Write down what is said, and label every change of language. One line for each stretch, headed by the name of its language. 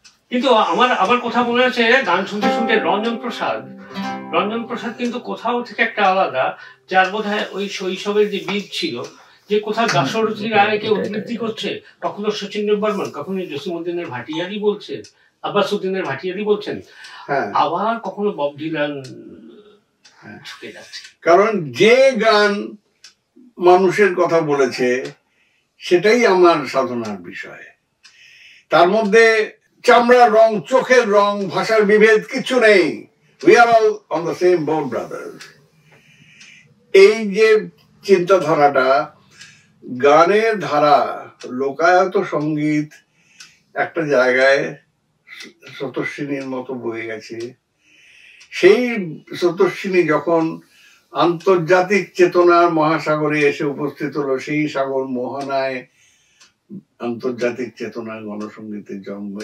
Bangla: কিন্তু আমার আবার কথা মনে আছে, গান শুনতে শুনতে রঞ্জন প্রসাদ, রঞ্জন প্রসাদ কিন্তু কোথাও থেকে একটা আলাদা, যার বোধ হয় ওই শৈশবের যে বীজ ছিল, যে কোথাও দাশরথী রায়কে উদ্ধৃতি করছে, কখনো শচীন্দ্র বর্মন, কখনো জসীমউদ্দিনের ভাটিয়ারি বলছেন, আব্বাসউদ্দিনের ভাটিয়ারি বলছেন, আবার কখনো বব ডিলান ঝুঁকে যাচ্ছে। কারণ যে গান মানুষের কথা বলেছে সেটাই আমার সাধনার বিষয়। তার মধ্যে চামড়ার রং, চোখের রং, ভাষার বিভেদ কিছু নেই।
English: We are all on the same boat, brothers.
Bangla: এই যে চিন্তাধারাটা, গানের ধারা, লোকায়ত সঙ্গীত একটা জায়গায় স্রোতস্বিনীর মতো বয়ে গেছে। সেই স্রোতস্বিনী যখন আন্তর্জাতিক চেতনার মহাসাগরে এসে উপস্থিত হলো, সেই সাগর মোহনায় আন্তর্জাতিক চেতনা গণসঙ্গীতের জন্ম।